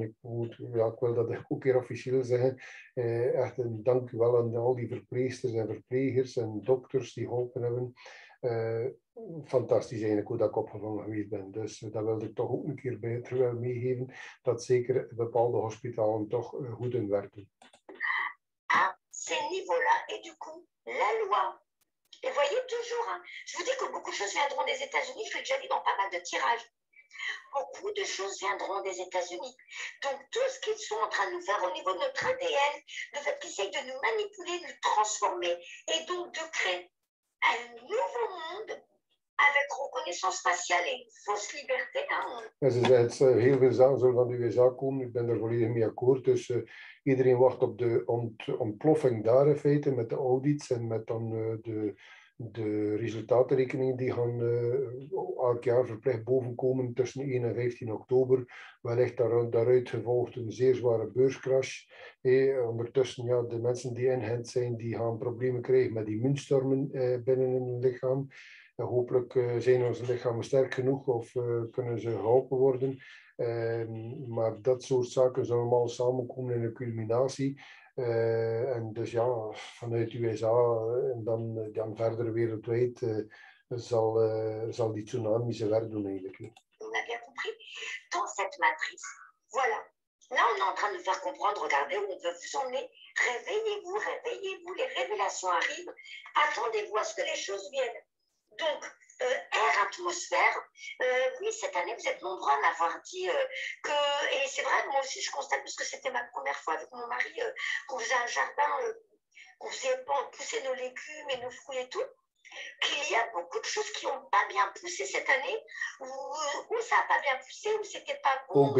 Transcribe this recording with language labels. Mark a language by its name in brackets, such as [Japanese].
[Dutch] Ik wil dat ook een keer officieel zeggen. Echt een dank u wel aan al die verpleegsters en verplegers en dokters die geholpen hebben. Fantastisch eigenlijk hoe dat ik opgevangen geweest ben. Dus dat wilde ik toch ook een keer beter wel meegeven. Dat zeker bepaalde hospitalen toch goed in werken. [French] À ce niveau-là, et du coup, la loi. Et voyez toujours, hein, je vous dis que beaucoup de choses viendront des États-Unis, je l'ai déjà dit dans pas mal de tirages. Beaucoup de choses viendront des États-Unis. Donc, tout ce qu'ils sont en train de nous faire au niveau de notre ADN, le fait qu'ils essayent de nous manipuler, de nous transformer, et donc de créer un nouveau monde avec reconnaissance faciale et une fausse liberté. Hein. [Dutch] Ze zeggen, heel veel zaken zullen van de USA komen. Ik ben er volledig mee akkoord. Dus iedereen wacht op de ontploffing daar in feite, met de audits en met dan de resultatenrekening die gaan elk jaar verplicht bovenkomen tussen 1 en 15 oktober. Wellicht daaruit gevolgd een zeer zware beurscrash. Hey, ondertussen, ja, de mensen die ingeënt zijn, die gaan problemen krijgen met immuunstormen binnen hun lichaam. En hopelijk zijn onze lichamen sterk genoeg of kunnen ze geholpen worden. Maar dat soort zaken zullen allemaal samenkomen in een culminatie. En dus ja, vanuit USA en dan verder wereldwijd zal die tsunami zijn werk doen eigenlijk. [French] On a bien compris. Dans cette matrice, voilà. Là, on est en train de faire comprendre, regardez, on veut vous emmener. Réveillez-vous, réveillez-vous, les révélations arrivent. Attendez-vous à ce que les choses viennent. Donc, air, atmosphère. Oui, cette année, vous êtes nombreux à m'avoir dit que, et c'est vrai, moi aussi, je constate, parce que c'était ma première fois avec mon mari, qu'on faisait un jardin, qu'on faisait pousser nos légumes et nos fruits et tout, qu'il y a beaucoup de choses qui n'ont pas bien poussé cette année, ou ça n'a pas bien poussé, ou c'était pas bon.